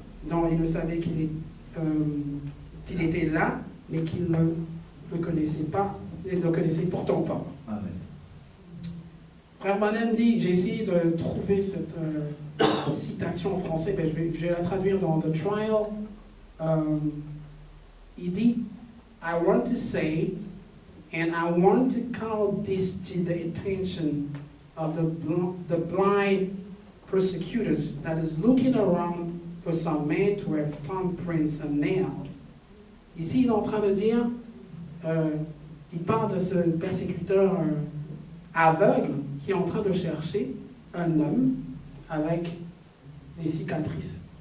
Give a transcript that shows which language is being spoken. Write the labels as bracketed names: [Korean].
[French] Non, ils le savaient qu'il était là, mais qu'ils ne le connaissaient pas, ils ne le connaissaient pourtant pas. Frère Manem dit, j'ai essayé de trouver cette citation en français, mais je vais la traduire dans The Trial. Il dit, [English] I want to say, and I want to call this to the attention of the blind persecutors that is looking around for some man to have thumbprints and nails. [French] Ici, il est en train de dire, il parle de ce persécuteur aveugle qui est en train de chercher un homme avec des cicatrices.